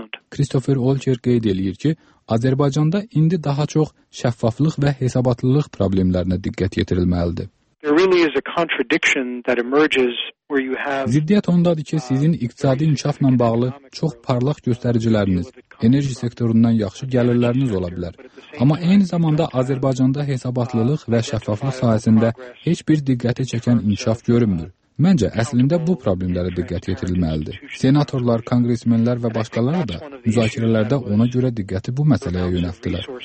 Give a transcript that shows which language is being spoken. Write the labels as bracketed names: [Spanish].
[Azerbaijani] Christopher Olcher qeyd edir ki, Azərbaycanda indi daha çox şəffaflıq və hesabatlılıq problemlərinə diqqət yetirilməlidir. [English] There really is a contradiction that emerges where you have [Azerbaijani] ziddiyyət ondadır ki, sizin iqtisadi inkişafla bağlı çox parlaq göstəriciləriniz, enerji sektorundan yaxşı gəlirləriniz ola bilər. Amma eyni zamanda Azərbaycanda hesabatlılıq və şəffaflıq sahəsində heç bir diqqəti çəkən inkişaf görünmür. Məncə, əslində bu problemlərə diqqət yetirilməlidir. Senatorlar, kongresmenlər və başqaları da müzakirələrdə ona görə diqqəti bu məsələyə yönəltdilər.